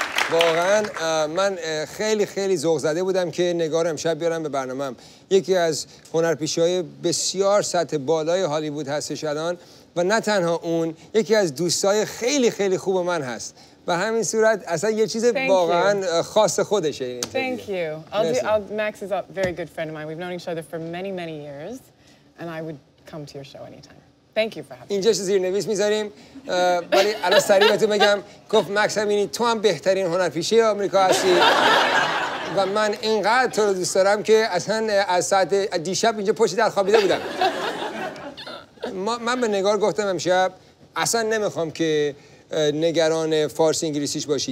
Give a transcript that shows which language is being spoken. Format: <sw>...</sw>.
<fa>واقعا من خیلی خیلی ذوق زده بودم که نگار امشب بیارم به برنامه‌ام. یکی از هنرپیشه‌های بسیار سطح بالای هالیوود هستش الان، و نه تنها اون، یکی از دوستای خیلی خیلی خوب من هست. به همین صورت اصلا یه چیز واقعا خاص خودشه.</fa> <en>Thank you. Max is a very good friend of mine. We've known each other for many many years and I would come to your show anytime. Thank you for having me.</en> <fa>اینجا زیرنویس می‌ذاریم. ولی الان سریع بهتون بگم، گفت ماکس همینی، تو هم بهترین هنرپیشه آمریکا هستی. و من اینقدر تو رو دوست دارم که اصلا از ساعت دیشب اینجا پشت در خوابیده بودم. من به نگار گفتم امشب اصلا نمیخوام که نگران فارسی انگلیسیش باشی.</fa>